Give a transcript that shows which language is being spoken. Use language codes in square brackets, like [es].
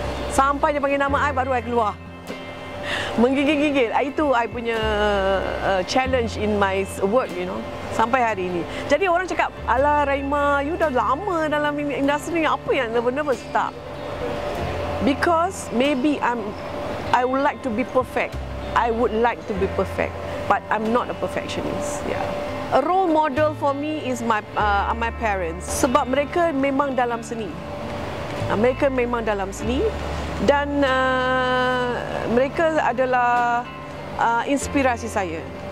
[ms] Sampai dia panggil nama I, baru I keluar. Menggigil-gigil. Itu I punya [en] challenge in my work, you know. [ms] Sampai hari ini. Jadi orang cakap, alah Rahimah, you dah lama dalam industri. Apa yang nervous-nervous? Tak. [en] Because maybe I would like to be perfect. I would like to be perfect. But I'm not a perfectionist. Yeah. A role model for me is my parents. [ms] Sebab mereka memang dalam seni. Mereka memang dalam seni. Dan mereka adalah inspirasi saya.